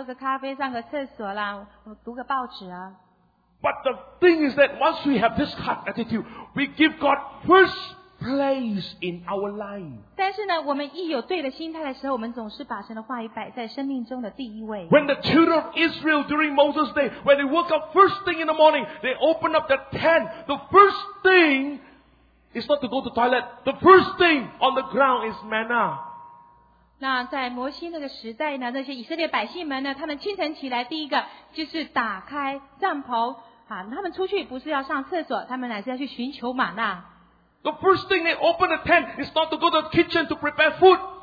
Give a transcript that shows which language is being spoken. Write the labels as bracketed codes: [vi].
[zh] 那清晨起来的时候，我们常常就说我们要喝个咖啡，上个厕所啦，读个报纸啊。 [en] But the thing is that once we have this heart attitude, we give God first place in our life. [zh] 但是呢，我们一有对的心态的时候，我们总是把神的话语摆在生命中的第一位。 [en] When the children of Israel during Moses' day, when they woke up first thing in the morning, they opened up the tent. The first thing is not to go to the toilet. The first thing on the ground is manna. [zh] 那在摩西那个时代呢，那些以色列百姓们呢，他们清晨起来第一个就是打开帐篷。他们出去不是要上厕所，他们乃是要去寻求玛纳。 [en] The first thing they open the tent is not to go to the kitchen to prepare food.